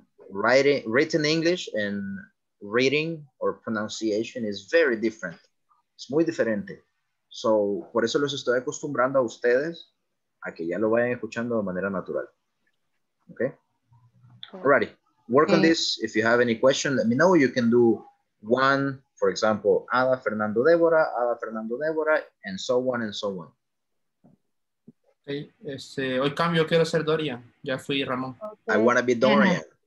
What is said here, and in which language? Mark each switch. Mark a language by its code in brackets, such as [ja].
[en] Writing, written English and reading or pronunciation is very different. [es] Es muy diferente. So, por eso los estoy acostumbrando a ustedes a que ya lo vayan escuchando de manera natural. [en] Okay? Alrighty. Work on this. If you have any question, let me know. You can do one, for example, Ada, Fernando, Débora, Ada, Fernando, Débora, and so on and so on. [es] Okay. Hoy cambio, quiero ser Doria. Ya fui Ramón. Okay. [en] I want to be Dorian.